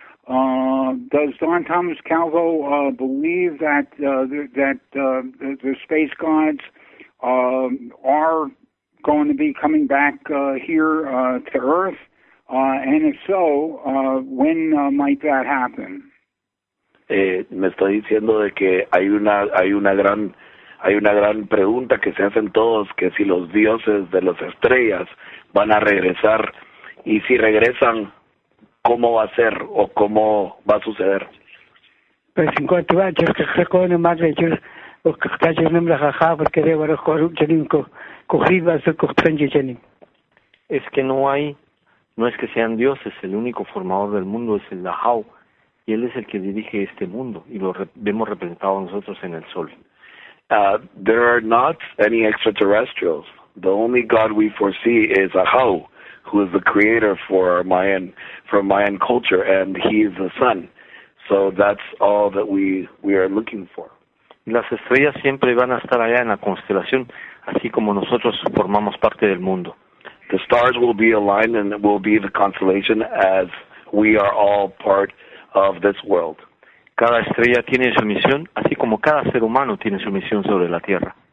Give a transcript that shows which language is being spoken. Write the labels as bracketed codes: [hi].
[en] Does Don Thomas Calvo believe that the space gods are going to be coming back here to Earth? And if so, when might that happen? [es] Me estoy diciendo de que hay una gran pregunta que se hacen todos, que si los dioses de las estrellas van a regresar, y si regresan, ¿cómo va a ser o cómo va a suceder? Pues en cuanto a ellos, que se con el madre, yo que el nombre de Jajá, porque debo recoger un chenico, cogido a su costrenge chenico. Es que no hay, no es que sean dioses, el único formador del mundo es el Lajau, y él es el que dirige este mundo, y lo vemos representado nosotros en el sol. [en] There are not any extraterrestrials. The only god we foresee is Ahau, who is the creator for Mayan culture, and he is the sun. So that's all that we are looking for. [es] Las estrellas siempre van a estar allá en la constelación, así como nosotros formamos parte del mundo. [en] The stars will be aligned and will be the constellation as we are all part of this world. [es] Cada estrella tiene su misión, así como cada ser humano tiene su misión sobre la Tierra.